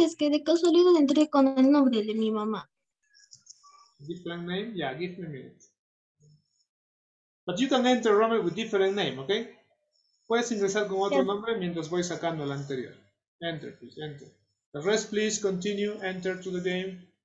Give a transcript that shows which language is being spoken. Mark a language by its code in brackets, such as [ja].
[es] Es que de casualidad entré con el nombre de mi mamá. [en] Different name? Yeah, give me a minute. But you can enter Rome with different name, okay? [es] Puedes ingresar con otro nombre mientras voy sacando el anterior. [en] Enter, please, enter. The rest, please continue, enter to the game.